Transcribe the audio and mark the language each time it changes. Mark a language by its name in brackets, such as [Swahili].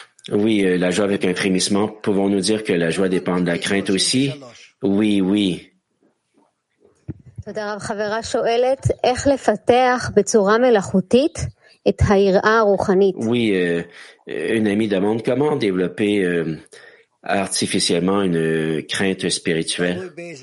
[French] Oui, la joie avec un frémissement. Pouvons-nous dire que la joie dépend de la crainte aussi? Oui, oui. [Hebrew] תודה רב, חברה שואלת, איך לפתח בצורה מלאכותית את היראה הרוחנית? [French] Oui, une amie demande comment développer artificiellement une crainte spirituelle.